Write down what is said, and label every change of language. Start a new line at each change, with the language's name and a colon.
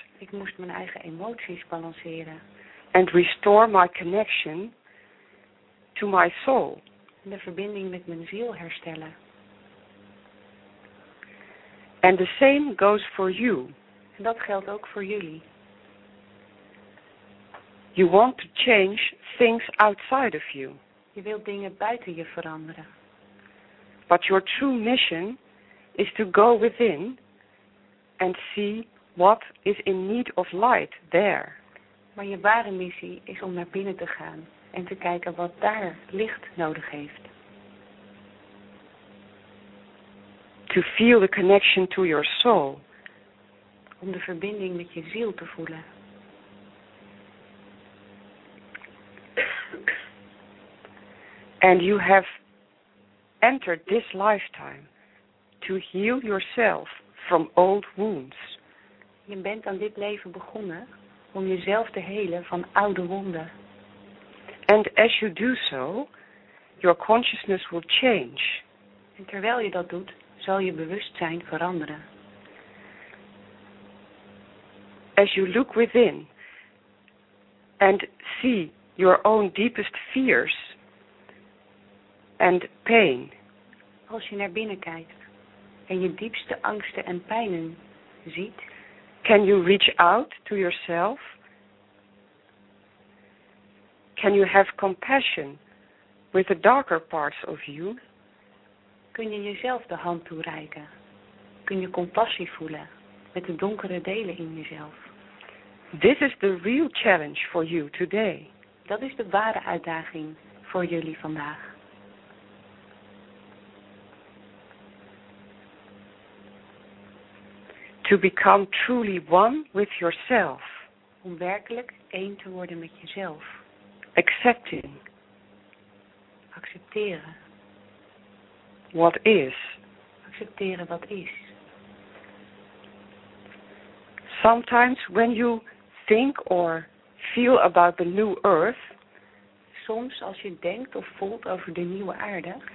Dutch: Ik moest mijn eigen emoties balanceren.
English: And restore my connection to my soul.
Dutch: En de verbinding met mijn ziel herstellen.
English: And the same goes for you.
Dutch: En dat geldt ook voor jullie.
English: You want to change things outside of you.
Dutch: Je wilt dingen buiten je veranderen.
English: But your true mission is to go within and see what is in need of light there.
Dutch: Maar je ware missie is om naar binnen te gaan en te kijken wat daar licht nodig heeft.
English: To feel the connection to your soul.
Dutch: Om de verbinding met je ziel te voelen.
English: And you have entered this lifetime to heal yourself from old wounds.
Dutch: Je bent aan dit leven begonnen om jezelf te helen van oude wonden.
English: And as you do so, your consciousness will change.
Dutch: En terwijl je dat doet, zal je bewustzijn veranderen.
English: As you look within and see your own deepest fears and pain.
Dutch: Als je naar binnen kijkt en je diepste angsten en pijnen ziet,
English: can you reach out to yourself? Can you have compassion with the darker parts of you?
Dutch: Kun je jezelf de hand toereiken? Kun je compassie voelen met de donkere delen in jezelf?
English: This is the real challenge for you today.
Dutch: Dat is de ware uitdaging voor jullie vandaag.
English: To become truly one with yourself.
Dutch: Om werkelijk één te worden met jezelf.
English: Accepting.
Dutch: Accepteren.
English: What is.
Dutch: Accepteren wat is.
English: Sometimes when you think or feel about the new earth.
Dutch: Soms als je denkt of voelt over de nieuwe aarde.